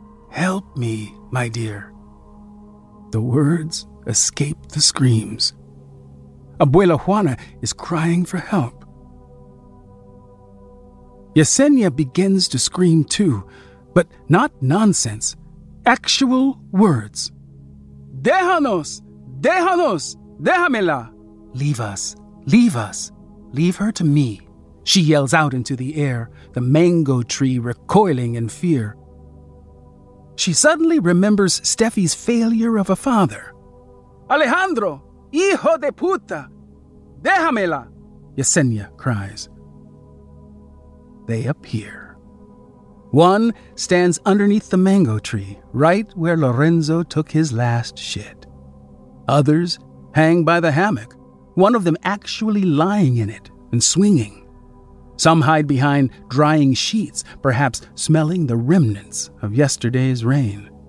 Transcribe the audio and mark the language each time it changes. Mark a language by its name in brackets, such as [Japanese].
[English] Help me, my dear. The words escape the screams. Abuela Juana is crying for help. Yesenia begins to scream too, but not nonsense, actual words. [Spanish] Déjanos, déjanos, déjamela. [English] Leave us, leave us, leave her to me. She yells out into the air, the mango tree recoiling in fear. She suddenly remembers Steffi's failure of a father. [Spanish] Alejandro, hijo de puta, déjamela, [English] Yesenia cries. They appear. One stands underneath the mango tree, right where Lorenzo took his last shit. Others hang by the hammock, one of them actually lying in it and swinging. Some hide behind drying sheets, perhaps smelling the remnants of yesterday's rain.